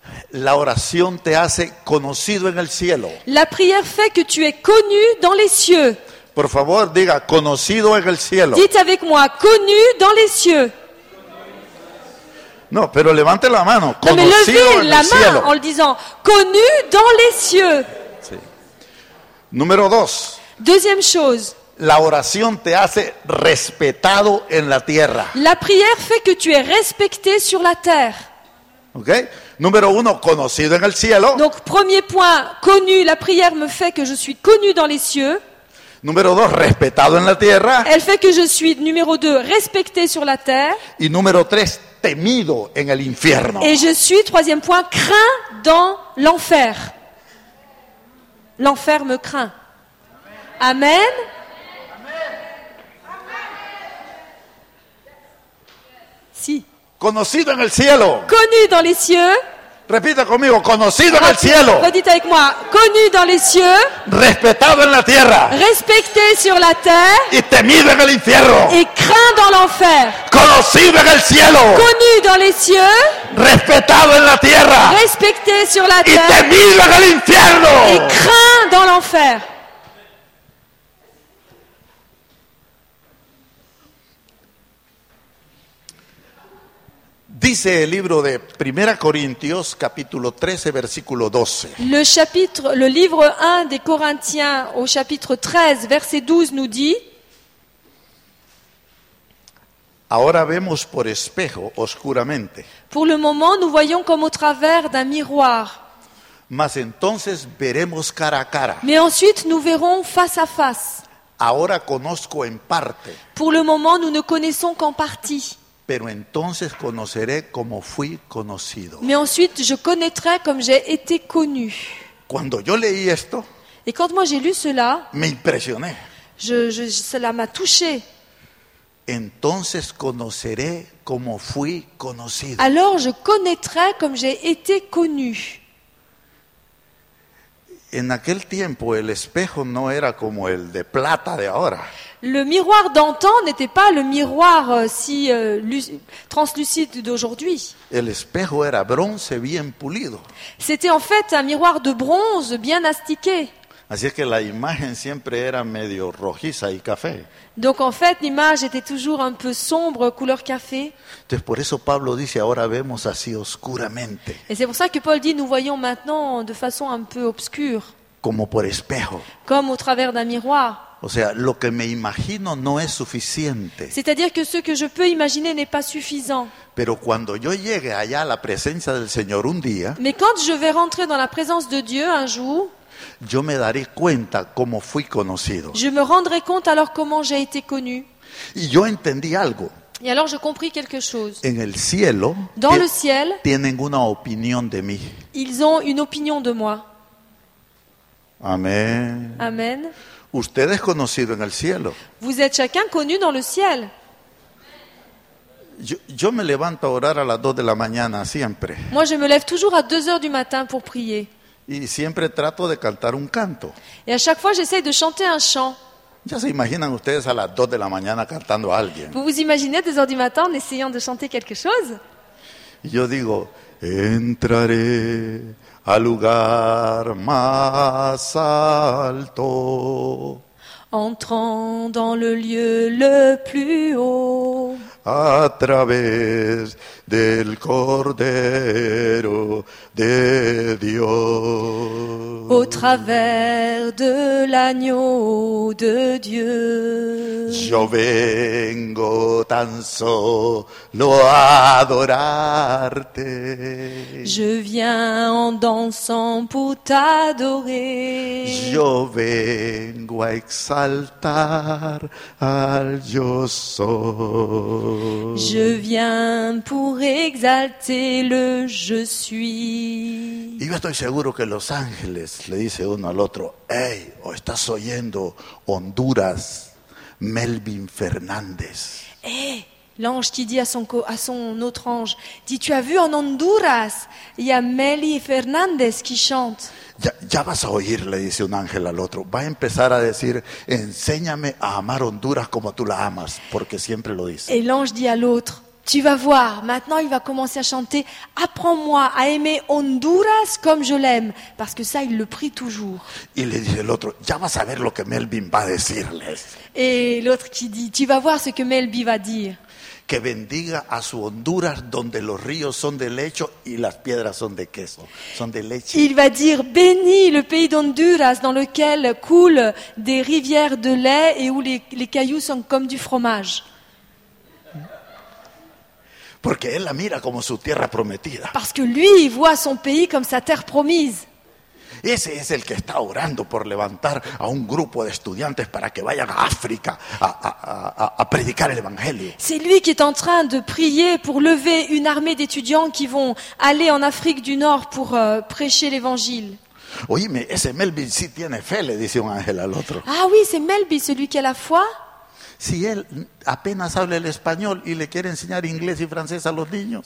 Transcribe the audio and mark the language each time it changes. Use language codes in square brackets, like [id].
[es] La oración te hace conocido en el cielo. [fr] La prière fait que tu es connu dans les cieux. [es] Por favor, diga conocido en el cielo. [fr] Dites avec moi, connu dans les cieux. [es] No, pero levante la mano. [fr] Non, mais levez la main [es] cielo. [fr] En le disant, connu dans les cieux. [es] Sí. Número dos. [fr] Deuxième chose. [es] La oración te hace respetado en la tierra. [fr] La prière fait que tu es respecté sur la terre. Ok. [es] Número uno, conocido en el cielo. [fr] Donc premier point, connu. La prière me fait que je suis connu dans les cieux. [es] Número dos, respetado en la tierra. [fr] Elle fait que je suis numéro deux, respecté sur la terre. [es] Y número tres, temido en el infierno. [fr] Et je suis troisième point, craint dans l'enfer. L'enfer me craint. Amen. Amen. [es] Si. Conocido en el cielo. [fr] Connu dans les cieux. [es] Repita conmigo, conocido en el cielo. [fr] Redites avec moi, connu dans les cieux. [es] Respetado en la tierra. [fr] Respecté sur la terre. [es] Y temido en el infierno. [fr] Et craint dans l'enfer. [es] Conocido en el cielo. [fr] Connu dans les cieux. [es] Respetado en la tierra. [fr] Respecté sur la terre. [es] Y temido en el infierno. [fr] Et craint dans l'enfer. [es] Dice el libro de Primera Corintios capítulo 13 versículo 12. [fr] Le livre 1 des Corinthiens au chapitre 13 verset 12 nous dit: [es] Ahora vemos por espejo oscuramente. [fr] Pour le moment, nous voyons comme au travers d'un miroir. [es] Mas entonces veremos cara a cara. [fr] Mais ensuite, nous verrons face à face. [es] Ahora conozco en parte. [fr] Pour le moment, nous ne connaissons qu'en partie. [es] Pero entonces conoceré como fui conocido. [fr] Mais ensuite, je connaîtrai comme j'ai été connu. [es] Cuando yo leí esto, [fr] et quand moi j'ai lu cela, [es] me impresioné. [fr] Cela m'a touché. [es] Entonces conoceré como fui conocido. [fr] Alors je connaîtrai comme j'ai été connu. [es] En aquel tiempo el espejo no era como el de plata de ahora. [fr] Le miroir d'antan n'était pas le miroir translucide d'aujourd'hui. [es] El espejo era bronce bien pulido. [fr] C'était en fait un miroir de bronze bien astiqué. [es] Así es que la imagen siempre era medio rojiza y café. [fr] Donc en fait l'image était toujours un peu sombre, couleur café. [es] Entonces, por eso Pablo dice ahora vemos así oscuramente. [fr] Et c'est pour ça que Paul dit nous voyons maintenant de façon un peu obscure. [es] Como por espejo. [fr] Comme au travers d'un miroir. [es] O sea, lo que me imagino no es suficiente. [fr] C'est-à-dire que ce que je peux imaginer n'est pas suffisant. [es] Pero cuando yo llegue allá a la presencia del Señor un día. [fr] Mais quand je vais rentrer dans la présence de Dieu un jour. [es] Yo me daré cuenta cómo fui conocido. [fr] Je me rendrai compte alors comment j'ai été connu. [es] Y yo entendí algo. [fr] Et alors je compris quelque chose. [es] En el cielo. [fr] Dans le ciel. [es] Tienen una opinión de mí. [fr] Ils ont une opinion de moi. [es] Amén. [fr] Amen. [es] Usted es conocido en el cielo. [fr] Vous êtes chacun connu dans le ciel. [es] Yo me levanto a orar a las 2 de la mañana siempre. [fr] Moi je me lève toujours à 2 heures du matin pour prier. [es] Y siempre trato de cantar un canto. [fr] Et à chaque fois j'essaie de chanter un chant. [es] ¿Ya se imaginan ustedes a las 2 de la mañana cantando a alguien? [fr] Vous vous imaginez 2 heures du matin en essayant de chanter quelque chose? [es] Yo digo, entraré al lugar más alto. [fr] Entrant dans le lieu le plus haut. [es] À través del Cordero de Dios. [fr] Au travers de l'agneau de Dieu. [es] Yo vengo tan solo a adorarte. [fr] Je viens en dansant pour t'adorer. [es] Yo vengo a exaltar al Yo Soy. [fr] Je viens pour exalter le Je Suis. [es] Y yo estoy seguro que los ángeles le dice uno al otro, hey, ¿o estás oyendo Honduras, Melvin Fernández? [fr] Hey, l'ange qui dit à son autre ange, dit, tu as vu en Honduras, y a Meli Fernández qui chante. [es] Ya vas a oír, le dice un ángel al otro, va a empezar a decir, enséñame a amar Honduras como tú la amas, porque siempre lo dice. [fr] Et l'ange dit à l'autre, tu vas voir, maintenant il va commencer à chanter « Apprends-moi à aimer Honduras comme je l'aime » parce que ça, il le prie toujours. [es] Y le dice l'autre, ya vas a ver lo que Melvin va decirles. [fr] Et l'autre qui dit « Tu vas voir ce que Melvin va dire. » [es] Que bendiga a su Honduras donde los ríos son de leche y las piedras son de queso. Son de leche. [fr] Il va dire « Bénis le pays d'Honduras dans lequel coulent des rivières de lait et où les cailloux sont comme du fromage. » [es] Porque él la mira como su tierra prometida. [fr] Parce que lui il voit son pays comme sa terre promise. [es] Ese es el que está orando por levantar a un grupo de estudiantes para que vayan a África a predicar el evangelio. [fr] C'est lui qui est en train de prier pour lever une armée d'étudiants qui vont aller en Afrique du Nord pour prêcher l'évangile. [es] Oye, mais ese Melvin sí tiene fe, le dice un ángel al otro. [fr] Ah oui, c'est Melvin celui qui a la foi. [es] Si él apenas habla el español y le quiere enseñar inglés y francés a los niños.